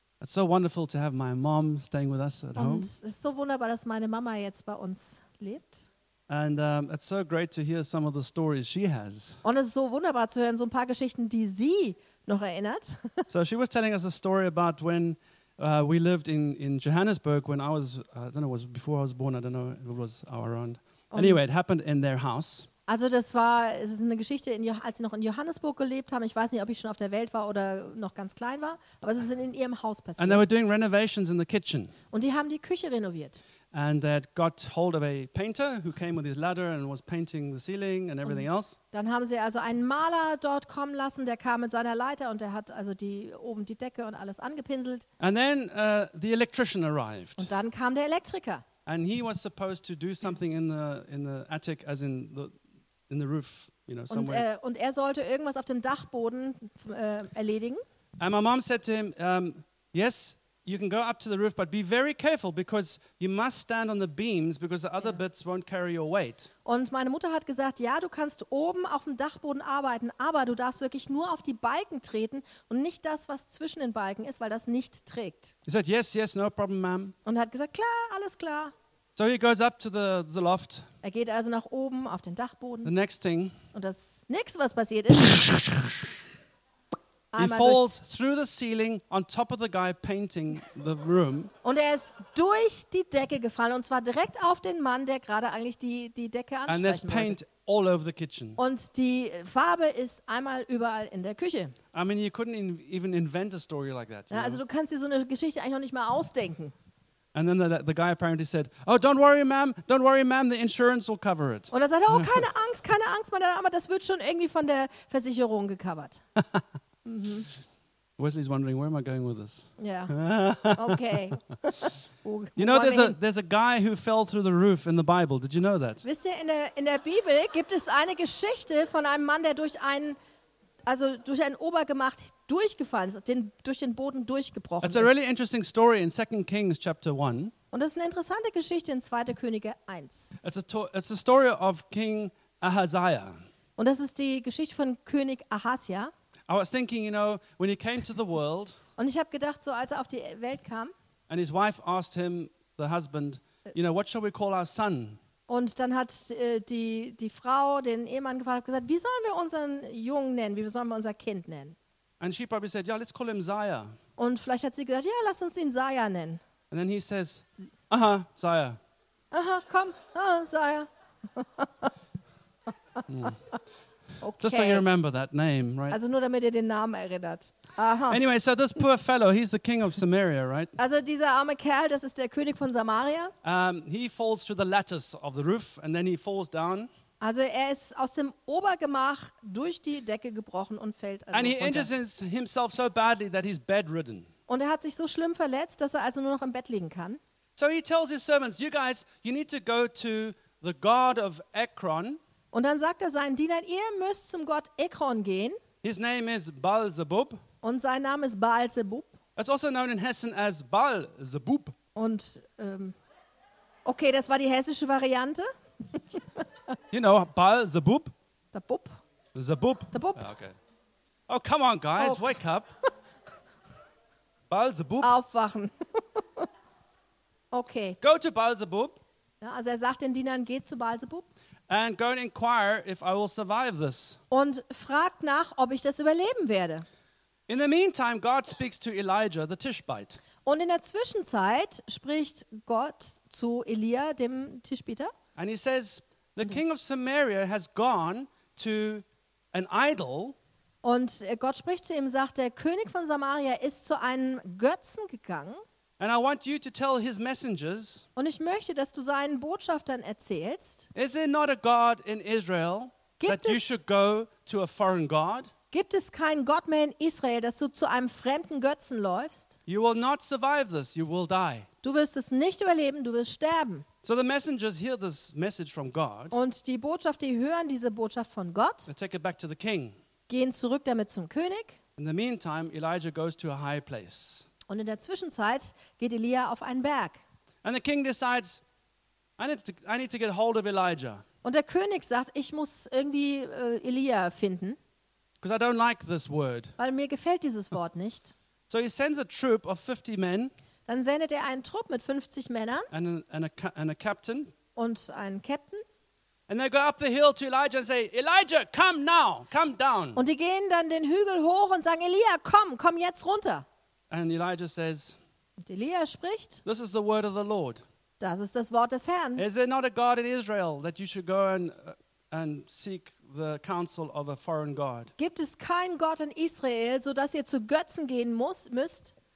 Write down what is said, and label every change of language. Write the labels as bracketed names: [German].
[English] It's so wonderful to have my mom staying with us at home. [German] Und es ist so wunderbar, dass meine Mama jetzt bei uns lebt. [English] And it's so great to hear some of the stories she has. [German] Und es ist so wunderbar zu hören so ein paar Geschichten, die sie noch erinnert. [English] So she was telling us a story about when we lived in Johannesburg when I was I don't know, it was before I was born. Anyway, it happened in their house. [German] Also das war, es ist eine Geschichte, in, als sie noch in Johannesburg gelebt haben. Ich weiß nicht, ob ich schon auf der Welt war oder noch ganz klein war, aber es ist in ihrem Haus passiert. [English] And they were doing renovations in the kitchen. [German] Und die haben die Küche renoviert. [English] And they got hold of a painter who came with his ladder and was painting the ceiling and everything [German] und [English] else. [German] Dann haben sie also einen Maler dort kommen lassen, der kam mit seiner Leiter und der hat also die oben die Decke und alles angepinselt. [English] And then the electrician arrived. [German] Und dann kam der Elektriker. [English] And he was supposed to do something in the attic, as in the in the roof, you know, somewhere. [German] Und er sollte irgendwas auf dem Dachboden erledigen. [English] And my mom said to him, yes, you can go up to the roof, but be very careful because you must stand on the beams because the other bits won't carry your weight. [German] Und meine Mutter hat gesagt, ja, du kannst oben auf dem Dachboden arbeiten, aber du darfst wirklich nur auf die Balken treten und nicht das, was zwischen den Balken ist, weil das nicht trägt. [English] He said, yes, yes, no problem, ma'am. [German] Und hat gesagt, klar, alles klar. [English] So he goes up to the loft. [German] Er geht also nach oben auf den Dachboden. [English] The next thing. [German] Und das nächste, was passiert ist, [English] he falls through the ceiling on top of the guy painting the room. [German] Und er ist durch die Decke gefallen und zwar direkt auf den Mann, der gerade eigentlich die Decke anstreichen [English] and there's paint [German] wollte. [English] All over the kitchen. [German] Und die Farbe ist einmal überall in der Küche. [English] I mean, you couldn't even invent a story like that. [German] Ja, also du kannst dir so eine Geschichte eigentlich noch nicht mal ausdenken. [English] And then the guy apparently said, "Oh, don't worry, ma'am, the insurance will cover it." [German] Und er sagte, oh, keine Angst, meine Dame, das wird schon irgendwie von der Versicherung gecovert. Mm-hmm. [English] Wesley's wondering, where am I going with this? Yeah. Okay. You know, there's a guy who fell through the roof in the Bible. Did you know that? [German] Wisst ihr, in der Bibel gibt es eine Geschichte von einem Mann, der durch ein Obergemach durchgefallen ist, durch den Boden durchgebrochen ist. [English] It's a really interesting story in 2 Kings chapter 1. [German] Und es ist eine interessante Geschichte in 2. Könige 1. [English] It's a story of King Ahaziah. [German] Und das ist die Geschichte von König Ahasja. [English] I was thinking, you know, when he came to the world. [German] Und ich habe gedacht, so als er auf die Welt kam. [English] And his wife asked him, the husband, you know, what shall we call our son? [German] Und dann hat die Frau den Ehemann gefragt, gesagt, wie sollen wir unseren Jungen nennen? Wie sollen wir unser Kind nennen? [English] And she probably said, yeah, let's call him Zaya. [German] Und vielleicht hat sie gesagt, ja, lass uns ihn Zaya nennen. [English] And then he says, aha, Zaya. [German] Aha, komm, aha, Zaya. [English] Okay. Just so you remember that name, right? [German] Also nur damit ihr den Namen erinnert. Aha. [English] Anyway, so this poor fellow, he's the king of Samaria, right? [German] Also dieser arme Kerl, das ist der König von Samaria. [English] He falls through the lattice of the roof and then he falls down. [German] Also er ist aus dem Obergemach durch die Decke gebrochen und fällt also [English] and he [German] runter. [English] Injures himself so badly that he's bedridden. [German] Und er hat sich so schlimm verletzt, dass er also nur noch im Bett liegen kann. [English] So he tells his servants, you guys, you need to go to the god of Ekron. [German] Und dann sagt er seinen Dienern, ihr müsst zum Gott Ekron gehen. [English] His name is Baal-Zebub. [German] Und sein Name ist Baal-Zebub. [English] It's also known in Hessen as Baal-Zebub. [German] Und okay, das war die hessische Variante. [English] You know, Baal-Zebub. [German] Der Bub. [English] Zebub. [German] Der Bub. [English] Yeah, okay. Oh, come on, guys, oh. Wake up. Baal-Zebub. [German] Aufwachen. Okay. [English] Go to Baal-Zebub. [German] Ja, also er sagt den Dienern, geht zu Baal-Zebub. [English] And go and inquire if I will survive this. [German] Und fragt nach, ob ich das überleben werde. [English] In the meantime, God speaks to Elijah, the Tishbite. [German] Und in der Zwischenzeit spricht Gott zu Elia, dem Tischbiter. [English] And he says, the king of Samaria has gone to an idol. [German] Und Gott spricht zu ihm, sagt, der König von Samaria ist zu einem Götzen gegangen. [English] And I want you to tell his messengers. [German] Und ich möchte, dass du seinen Botschaftern erzählst. [English] Is there not a God in Israel that you should go to a foreign God? [German] Gibt es keinen Gott mehr in Israel, dass du zu einem fremden Götzen läufst? [English] You will not survive this. You will die. [German] Du wirst es nicht überleben. Du wirst sterben. [English] So the messengers hear this message from God. [German] Und die Botschafter, die hören diese Botschaft von Gott. [English] They take it back to the king. [German] Gehen zurück damit zum König. [English] In the meantime, Elijah goes to a high place. [German] Und in der Zwischenzeit geht Elia auf einen Berg. [English] And the king decides, I need to get hold of Elijah. [German] Und der König sagt, ich muss irgendwie Elia finden. [English] Because I don't like this word. [German] Weil mir gefällt dieses Wort nicht. [English] So he sends a troop of 50 men. [German] Dann sendet er einen Trupp mit 50 Männern. [English] And a captain. [German] Und einen Captain. [English] And they go up the hill to Elijah and say, Elijah, come now, come down. [German] Und die gehen dann den Hügel hoch und sagen, Elia, komm, komm jetzt runter. [English] And Elijah says, [German] und Elia spricht, [English] this is the word of the Lord. [German] Das ist das Wort des Herrn. [English] Is there not a God in Israel that you should go and seek the counsel of a foreign God? [German] Gibt es keinen Gott in Israel, so dass ihr zu Götzen gehen müsst?